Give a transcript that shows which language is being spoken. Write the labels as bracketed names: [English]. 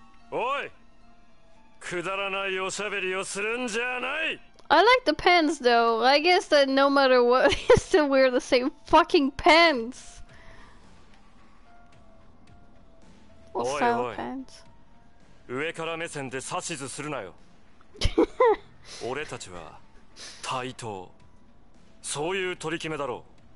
[Japanese] おい、くだらないおしゃべりをするんじゃない。 [English] I like the pants, though. I guess that no matter what, he still wear the same fucking pants. What style of pants? [Japanese] 上から目線で指図するなよ。俺たちは対等、そういう取り決めだろう。